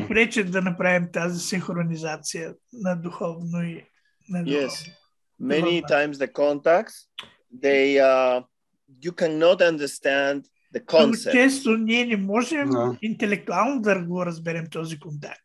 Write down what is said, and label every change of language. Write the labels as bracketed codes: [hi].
[bg] Не пречи да направим тази синхронизация на духовно и на духовно. [en] Yes, many times the contacts, they you cannot understand the concept. [bg] Често ние не можем интелектуално да го разберем този контакт.